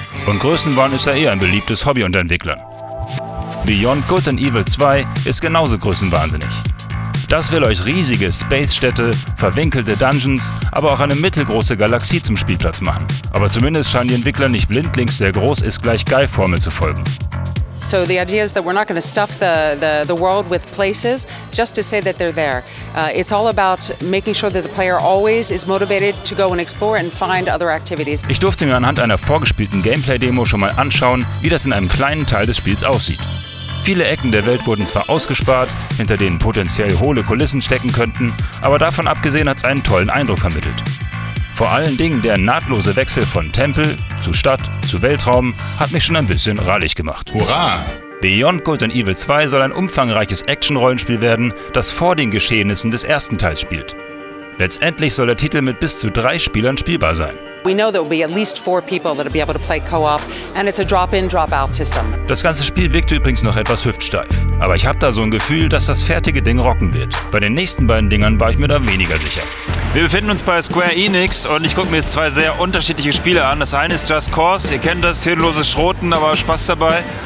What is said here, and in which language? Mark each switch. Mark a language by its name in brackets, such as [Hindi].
[German] Und Größenwahn ist ja eher ein beliebtes Hobby unter Entwicklern. Beyond Good and Evil 2 ist genauso größenwahnsinnig. Das will euch riesige Space-Städte, verwinkelte Dungeons, aber auch eine mittelgroße Galaxie zum Spielplatz machen. Aber zumindest scheinen die Entwickler nicht blindlings der Groß-ist-gleich-geil-Formel zu folgen. [English] So the idea is that we're not going to stuff the world with places just to say that they're there. It's all about making sure that the player always is motivated to go and explore and find other activities. [German] Ich durfte mir anhand einer vorgespielten Gameplay-Demo schon mal anschauen, wie das in einem kleinen Teil des Spiels aussieht. Viele Ecken der Welt wurden zwar ausgespart, hinter denen potenziell hohle Kulissen stecken könnten, aber davon abgesehen hat es einen tollen Eindruck vermittelt. Vor allen Dingen der nahtlose Wechsel von Tempel zu Stadt zu Weltraum hat mich schon ein bisschen rallig gemacht. Hurra! Beyond Good and Evil 2 soll ein umfangreiches Action-Rollenspiel werden, das vor den Geschehnissen des ersten Teils spielt. Letztendlich soll der Titel mit bis zu 3 Spielern spielbar sein. [English] We know there will be at least 4 people that will be able to play co-op and it's a drop-in, drop-out system. [German] Das ganze Spiel wirkte übrigens noch etwas hüftsteif, aber ich habe da so ein Gefühl, dass das fertige Ding rocken wird. Bei den nächsten beiden Dingern war ich mir da weniger sicher. Wir befinden uns bei Square Enix und ich gucke mir jetzt 2 sehr unterschiedliche Spiele an. Das eine ist Just Cause, ihr kennt das, hirnloses Schroten, aber Spaß dabei.